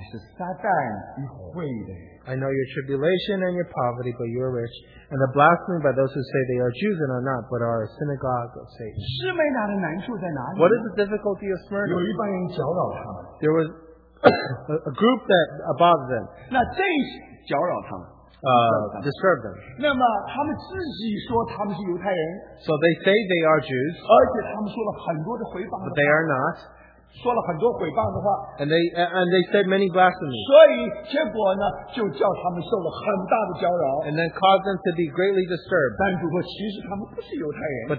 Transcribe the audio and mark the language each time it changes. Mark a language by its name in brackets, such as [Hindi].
[Chinese] 也知道那自称为犹太人所说的毁谤话，其实他们不是犹太人，乃是撒旦一会的人。 [English] I know your tribulation and your poverty, but you are rich, and the blasphemy by those who say they are Jews and are not, but are a synagogue of Satan. What is the difficulty of Smyrna? [Chinese] 有一帮人搅扰他们。 [English] There was a group that above them. [Chinese] 那这搅扰他们。 [English] Disturb them. [Chinese] 那么他们自己说他们是犹太人。 [English] So they say they are Jews. [Chinese] 而且他们说了很多的毁谤。 [English] But they are not. [Chinese] 说了很多毁谤的话, [English] and they said many blasphemies. [Chinese] 所以结果呢, 就叫他们受了很大的搅扰, [English] and then caused them to be greatly disturbed. [Chinese] 但如果其实他们不是犹太人,